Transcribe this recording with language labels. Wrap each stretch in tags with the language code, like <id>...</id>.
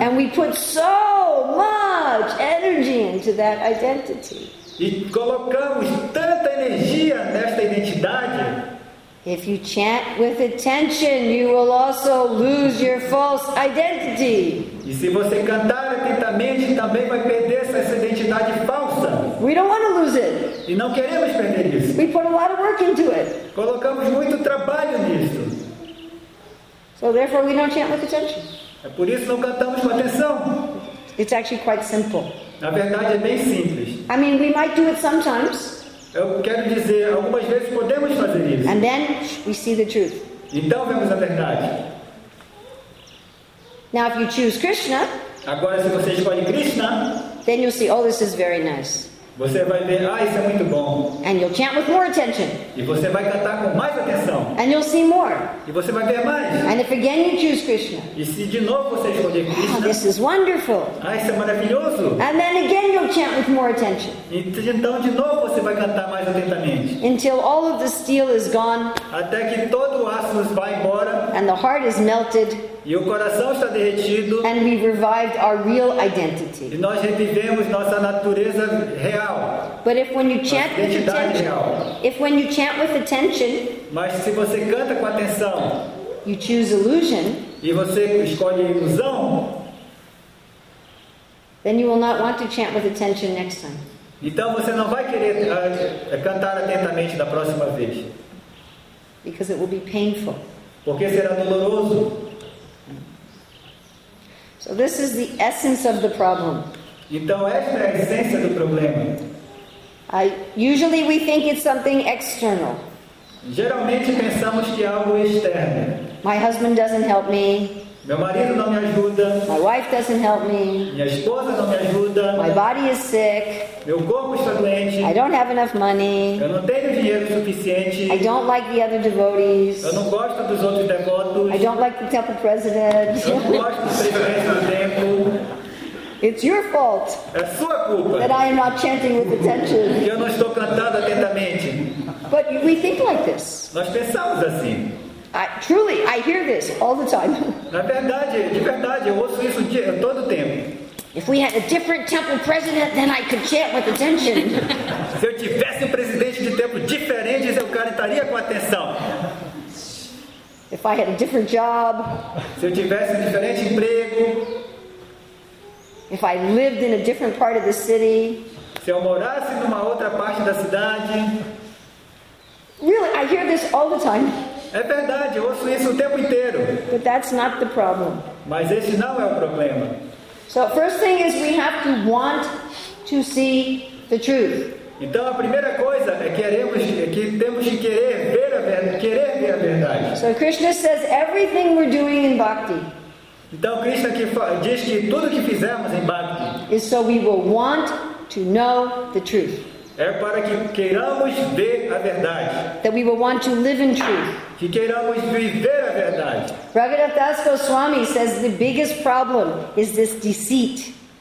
<en>And we put so much energy into that identity.</en> <pt>E colocamos tanta energia nesta identidade.</pt> <en>If you chant with attention, you will also lose your false identity.</en> <pt>E se você cantar atentamente, também vai perder essa identidade falsa.</pt> <en>We don't want to lose it.</en> <pt>E não queremos perder isso.</pt> <en>We put a lot of work into it.</en> <pt>Colocamos muito trabalho nisso.</pt> <en>So therefore we don't chant with attention.</en> <pt>É por isso que não cantamos com atenção.</pt> <en>It's actually quite simple.</en> <pt>Na verdade é bem simples.</pt> <en>I mean, we might do it sometimes.</en> <pt>Eu quero dizer, algumas vezes podemos fazer isso.</pt> <en>And then we see the truth.</en> <pt>Então vemos a verdade.</pt> <en>Now if you choose Krishna,</en> <pt>agora se você escolhe Krishna,</pt> <en>then you'll see, oh, this is very nice.</en> <pt>Você vai ver, ah, isso é muito bom.</pt> <en>And you'll chant with more attention.</en> <pt>E você vai cantar com mais atenção.</pt> <en>And you'll see more.</en> <pt>E você vai ver mais.</pt> <en>And if again you choose Krishna.</en> <pt>E se de novo você escolher Krishna.</pt> <en>Oh, this is wonderful.</en> <pt>Ah, isso é maravilhoso.</pt> <en>And then again you'll chant with more attention.</en> <pt>Então de novo você vai cantar mais atentamente.</pt> <en>Until all of the steel is gone.</en> <pt>Até que todo o aço vai embora.</pt> <en>And the heart is melted.</en> <pt>E o coração está derretido.</pt> <en>And we revived our real identity.</en> <pt>E nós revivemos nossa natureza real.</pt> <en>But if when you chant with attention, if when you chant with attention,</en> <pt>mas se você canta com atenção,</pt> <en>you choose illusion,</en> <pt>e você escolhe ilusão,</pt> <en>then you will not want to chant with attention next time.</en> <pt>Então você não vai querer cantar atentamente da próxima vez.</pt> <en>Because it will be painful.</en> <pt>Porque será doloroso.</pt> <en>So this is the essence of the problem.</en> <pt>Então esta é a essência do problema.</pt> <en>Usually we think it's something external.</en> <pt>Geralmente pensamos que é algo externo.</pt> <en>My husband doesn't help me.</en> <pt>Meu marido não me ajuda.</pt> <en>My wife doesn't help me.</en> <pt>Minha esposa não me ajuda.</pt> <en>My body is sick.</en> <pt>Meu corpo está doente.</pt> <en>I don't have enough money.</en> <pt>Eu não tenho dinheiro suficiente.</pt> <en>I don't like the other devotees.</en> <pt>Eu não gosto dos outros devotos.</pt> <en>I don't like the temple president.</en> <pt>Eu não gosto do presidente do templo.</pt> <en>It's your fault.</en> <pt>É sua culpa.</pt> <en>That I am not chanting with attention.</en> <pt>Que eu não estou cantando atentamente.</pt> <en>But we think like this.</en> <pt>Nós pensamos assim.</pt> <en>I hear this all the time.</en> <pt>Na verdade, de verdade, eu ouço isso todo tempo.</pt> <en>If we had a different temple president, then I could chant with attention.</en> <pt>Se eu tivesse um presidente de templo diferente, eu cantaria com atenção.</pt> <en>If I had a different job.</en> <pt>Se eu tivesse um diferente emprego.</pt> <en>If I lived in a different part of the city.</en> <pt>Se eu morasse numa outra parte da cidade.</pt> <en>Really, I hear this all the time.</en> <pt>É verdade, eu ouço isso o tempo inteiro.</pt> <en>But that's not the problem.</en> <pt>Mas esse não é o problema.</pt> <en>So first thing is we have to want to see the truth.</en> <pt>Então a primeira coisa é que temos que querer ver a verdade.</pt> <en>So Krishna says everything we're doing in bhakti.</en> <pt>Então Krishna diz que tudo que fizemos em bhakti</pt> <en>is so we will want to know the truth.</en> <pt>É para que queiramos ver a verdade.</pt> <en>That we will want to live in truth.</en> <pt>Que queiramos viver a verdade.</pt> <en>Raghunathas Goswami says the biggest problem is this deceit.</en>